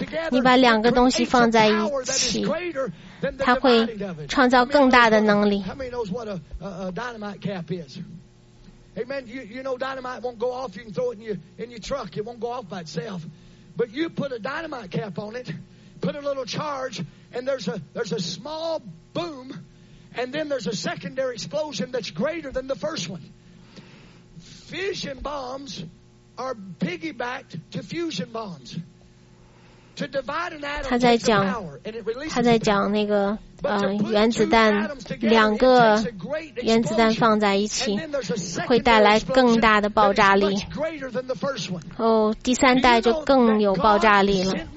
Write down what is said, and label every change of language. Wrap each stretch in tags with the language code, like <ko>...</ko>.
<zh>你把两个东西放在一起，它会创造更大的能力。</zh> <en>Amen. You know dynamite won't go off. You can throw it in your truck. It won't go off by itself. But you put a dynamite cap on it, put a little charge, and there's a small boom, and then there's a secondary explosion that's greater than the first one. Fission bombs are piggybacked to fusion bombs. To divide an atom takes a power, and it releases power.</en> <zh>他在讲那个原子弹，两个原子弹放在一起会带来更大的爆炸力。哦，第三代就更有爆炸力了。</zh>